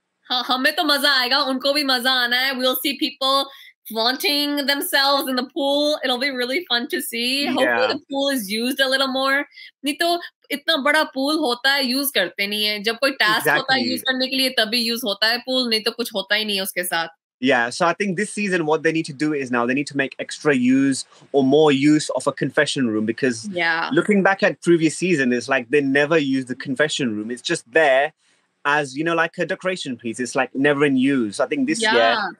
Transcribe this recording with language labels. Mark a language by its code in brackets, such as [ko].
[en] We'll see people flaunting themselves in the pool. It'll be really fun to see. Hopefully the pool is used a little more. [hi] नितो इतना बड़ा pool होता है, use करते नहीं है. जब कोई टास्क होता है यूज़ करने के लिए, तभी यूज़ होता है पूल. नितो कुछ होता ही नहीं उसके साथ. [en] Yeah, so I think this season what they need to do is now they need to make extra use or more use of a confession room, because looking back at previous season, it's like they never use the confession room. It's just there as, you know, like a decoration piece. It's like never in use. I think this year,